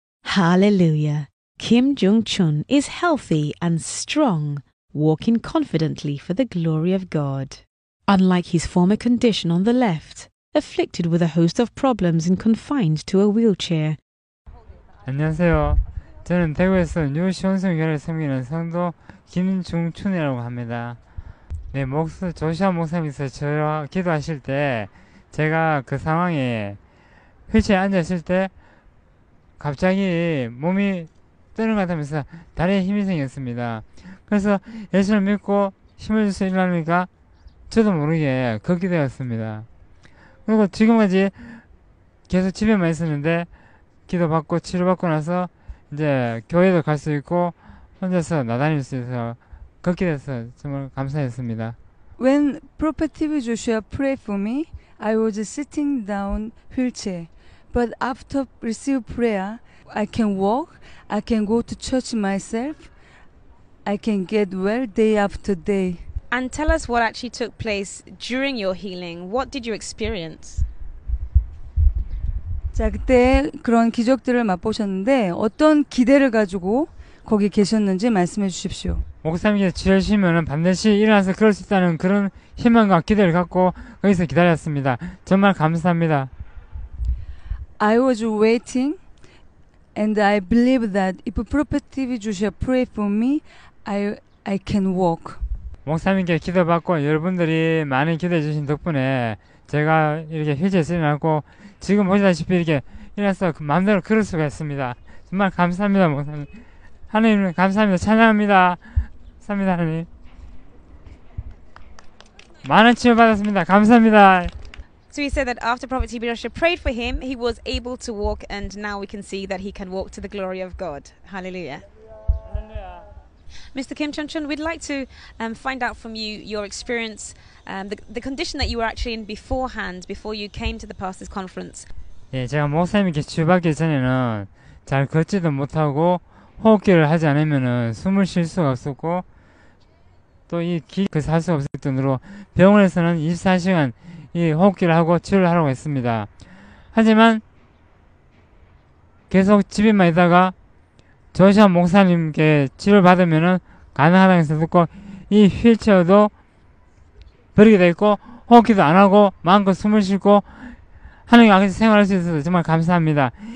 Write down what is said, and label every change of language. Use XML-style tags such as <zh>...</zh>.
<en>Hallelujah. Kim Jong-chun is healthy and strong, walking confidently for the glory of God. Unlike his former condition on the left, afflicted with a host of problems and confined to a wheelchair.</en> <ko>안녕하세요. 저는 대구에서 뉴시원성교회를 섬기는 성도 김중춘이라고 합니다. 네, 목수 조시아 목사님께서 저와 기도하실 때 제가 그 상황에 휠체어에 앉았을 때 갑자기 몸이 뜨는 것 같으면서 다리에 힘이 생겼습니다. 그래서 예수를 믿고 힘을 주셔 일하니까 저도 모르게 걷게 되었습니다. 그리고 지금까지 계속 집에만 있었는데 기도받고 치료받고 나서 이제 교회도 갈 수 있고 혼자서 나다닐 수 있어서 걷게 돼서 정말 감사했습니다.</ko> <en>When Prophet TB Joshua prayed for me, I was sitting down wheelchair. But after receive prayer, I can walk, I can go to church myself, I can get well day after day. And tell us what actually took place during your healing. What did you experience?</en> <ko>자, 그때 그런 기적들을 맛보셨는데 어떤 기대를 가지고 거기 계셨는지 말씀해 주십시오. 목사님께서 지혜시면은 반드시 일어나서 그럴 수 있다는 그런 희망과 기대를 갖고 거기서 기다렸습니다. 정말 감사합니다.</ko> <en>I was waiting and I believe that if Prophet TB Joshua pray for me, I can walk.</en> <ko>목사님께 기도받고 여러분들이 많이 기도해 주신 덕분에 제가 이렇게 휴지에서 일어났고 지금 보시다시피 이렇게 일어나서 그 마음대로 그럴 수가 있습니다. 정말 감사합니다, 목사님. 하나님 감사합니다. 찬양합니다. 감사합니다, 하나님. 많은 치유 받았습니다. 감사합니다.</ko> <en>So he said that after Prophet TB Joshua prayed for him, he was able to walk and now we can see that he can walk to the glory of God. Hallelujah. Mr. Kim Chun-chun, we'd like to find out from you your experience, the condition that you were actually in beforehand, before you came to the pastor's conference.</en> <ko>예, 제가 목사님께 취업하기 전에는 잘 걷지도 못하고 호흡기를 하지 않으면은 숨을 쉴 수가 없었고 또 이 길을 살 수 없을 정도로 병원에서는 24시간 이 호흡기를 하고 치료를 하라고 했습니다. 하지만 계속 집에만 있다가 조시아 목사님께 치료를 받으면은 가능하다는 것을 듣고 이 휠체어도 버리게 됐고 호흡기도 안 하고 마음껏 숨을 쉬고 하나님 앞에서 생활할 수 있어서 정말 감사합니다.</ko>